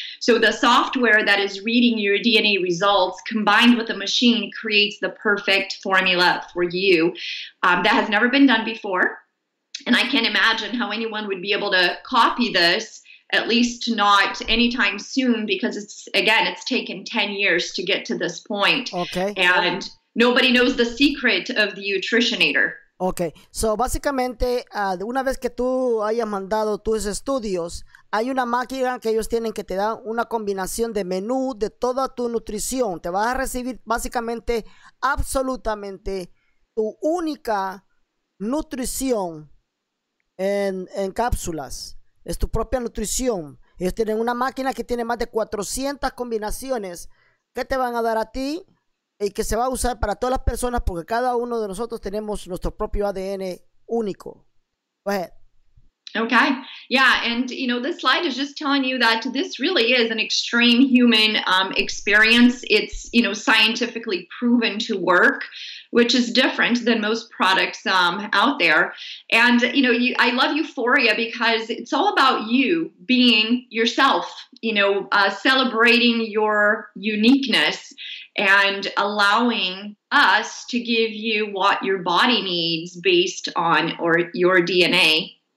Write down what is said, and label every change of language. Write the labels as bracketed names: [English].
[English] So the software that is reading your DNA results combined with the machine creates the perfect formula for you. That has never been done before. And I can't imagine how anyone would be able to copy this, at least not anytime soon, because it's taken 10 years to get to this point. Okay. And nobody knows the secret of the Utritionator. Okay. [Spanish] So, básicamente, una vez que tú hayas mandado tus estudios, hay una máquina que ellos tienen que te da una combinación de menú de toda tu nutrición. Te vas a recibir, básicamente, absolutamente tu única nutrición en cápsulas. Es tu propia nutrición. Ellos tienen una máquina que tiene más de 400 combinaciones que te van a dar a ti y que se va a usar para todas las personas porque cada uno de nosotros tenemos nuestro propio ADN único. [English] Go ahead. Okay. Yeah, and you know, this slide is just telling you that this really is an extreme human experience. It's, you know, scientifically proven to work, which is different than most products out there. And you know, I love Uforia because it's all about you being yourself, you know, celebrating your uniqueness and allowing us to give you what your body needs based on your DNA.